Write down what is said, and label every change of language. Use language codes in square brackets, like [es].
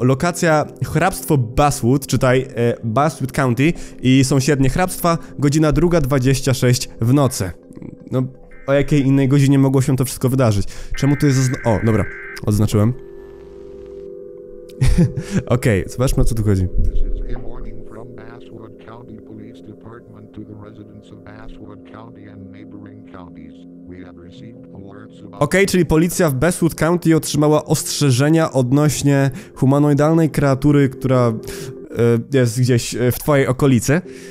[pl] Lokacja, hrabstwo Bestwood, czytaj Bestwood County i sąsiednie hrabstwa, godzina 2:26 w nocy. No... O jakiej innej godzinie mogło się to wszystko wydarzyć? Czemu to jest o, dobra, odznaczyłem. Okej, okay, zobaczmy, o co tu chodzi. [en] This is a warning from Bestwood County Police Department to the residents of Bestwood County and neighboring counties. We have received alerts about... [pl] Okej, czyli policja w Bestwood County otrzymała ostrzeżenia odnośnie humanoidalnej kreatury, która jest gdzieś w twojej okolicy.